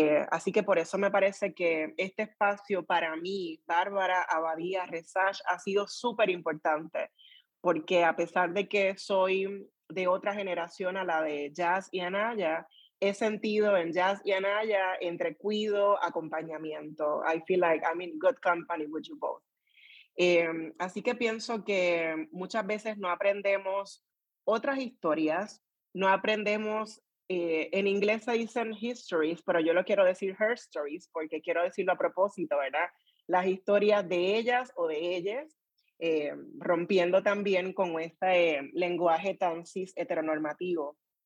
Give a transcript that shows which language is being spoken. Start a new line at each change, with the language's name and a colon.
Spanish: Así que por eso me parece que este espacio para mí, Bárbara, Abadía, Rezash, ha sido súper importante, porque a pesar de que soy de otra generación a la de Jazz y Anaya, he sentido en Jazz y Anaya entre cuido, acompañamiento.
English: I feel like I'm in good company with you both.
Spanish: Así que pienso que muchas veces no aprendemos otras historias, no aprendemos. En inglés se dicen histories, pero yo lo quiero decir her stories porque quiero decirlo a propósito, ¿verdad? Las historias de ellas o de ellas, rompiendo también con este lenguaje tan cis heteronormativo.